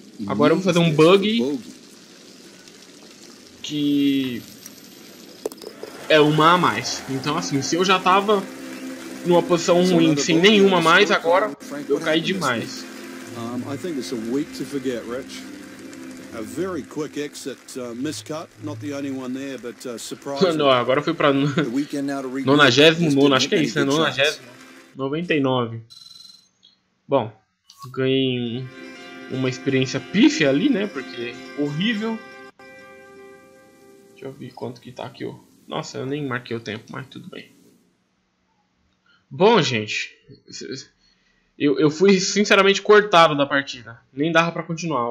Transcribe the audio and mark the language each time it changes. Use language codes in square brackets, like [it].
[pt] Agora eu vou fazer um bug. Que é uma a mais. Então, assim, se eu já tava numa posição ruim sem nenhuma a mais, agora eu caí demais. Eu acho que é uma semana para esquecer, Rich. [en] A very quick exit, miscut, not the only one there, but surprise. [pt] Não, agora eu fui pra 99, acho que é isso, né? 99. Bom, ganhei uma experiência pife ali, né? Porque horrível. Deixa eu ver quanto que tá aqui. Nossa, eu nem marquei o tempo, mas tudo bem. Bom, gente, eu fui sinceramente cortado da partida. Nem dava pra continuar.